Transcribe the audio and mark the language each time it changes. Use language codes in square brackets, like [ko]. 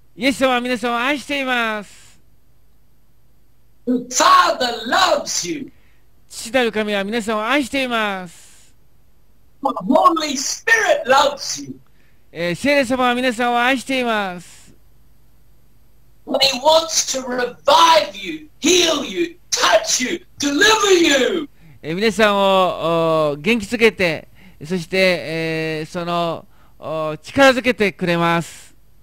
[ja] イエス様は皆さんを愛しています。 [en] The Father loves you. [ja] 父なる神は皆さんを愛しています。 [en] The Holy Spirit loves you. [ja] 聖霊様は皆さんを愛しています。 [en] He wants to revive you, heal you, touch you, deliver you. [ja] 皆さんを元気づけて、そして、その力づけてくれます。